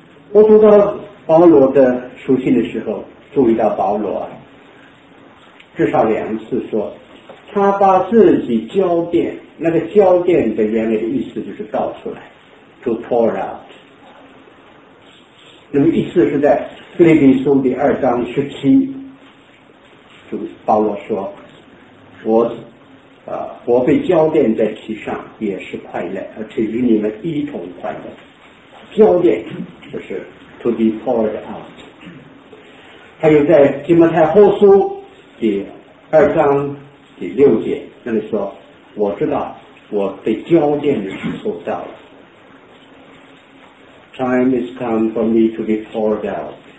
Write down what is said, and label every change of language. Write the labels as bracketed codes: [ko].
[zh] 我读到保罗的书信的时候，注意到保罗至少2次说他把自己交奠，那个交奠的原来的意思就是倒出来 [en] to pour out， [zh] 那么一次是在腓立比书第2章17，主保罗说我被交奠在其上也是快乐，而且与你们一同快乐。交奠就是 [en] to be poured out。 [zh] 还有在提摩太后书第2章6节，那里说我知道我被交奠的时候到了， [en] time is come for me to be poured out。